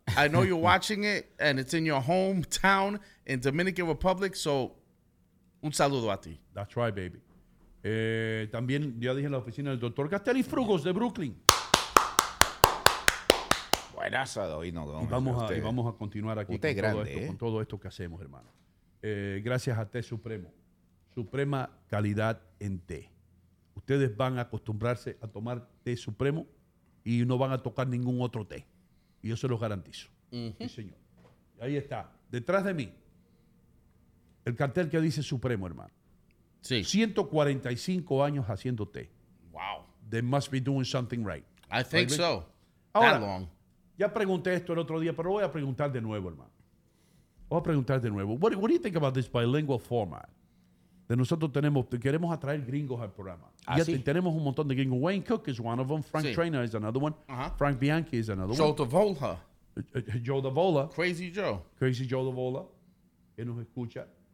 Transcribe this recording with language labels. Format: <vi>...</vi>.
<en>I know you're watching it, and it's in your hometown in Dominican Republic, so</en> <es>un saludo a ti.</es> <en>That's right, baby.</en> <es>También, ya dije, en la oficina del doctor Castelli Frugos de Brooklyn. Buenas, Adoino Gómez. Y vamos a continuar aquí usted con, grande, todo esto, con todo esto que hacemos, hermano. Gracias a Té Supremo. Suprema calidad en té. Ustedes van a acostumbrarse a tomar Té Supremo y no van a tocar ningún otro té. Y yo se los garantizo. Uh-huh. Sí, señor. Ahí está. Detrás de mí, el cartel que dice Supremo, hermano. Sí. 145 años haciendo té.</es> <en>Wow. They must be doing something right. I think so.</en> <es>Ahora,</es> <en>that long.</en> <es>Ya pregunté esto el otro día, pero voy a preguntar de nuevo, hermano. Voy a preguntar de nuevo.</es> <en>What do you think about this bilingual format?</en> <es>De nosotros tenemos, queremos atraer gringos al programa. Ah, sí. Tenemos un montón de gringos.</es> <en>Wayne Cook is one of them.</en> <es>Frank sí.</es> <en>Trainer is another one. Uh-huh. Frank Bianchi is another Joe one. Davola. Joe Davola. Crazy Joe.</en> <es>Crazy Joe Davola. Que nos escucha.</es>